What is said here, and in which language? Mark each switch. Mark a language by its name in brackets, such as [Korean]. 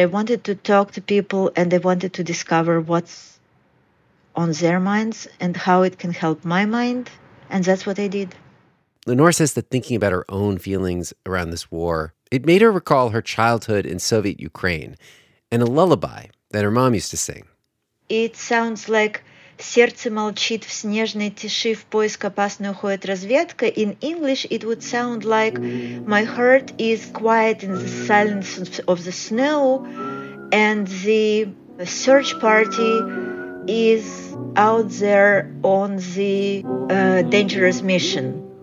[English] I wanted to talk to people, and I wanted to discover what's on their minds and how it can help my mind. And that's what I did. Linor says that thinking about her own feelings around this war, it made her recall her childhood in Soviet Ukraine and a lullaby that her mom used to sing. It sounds like [Russian] «Сердце молчит в снежной тиши, в поиск опасной уходит разведка». [English] In English, it would sound like «My heart is quiet in the silence of the snow, and the search party is out there on the dangerous mission».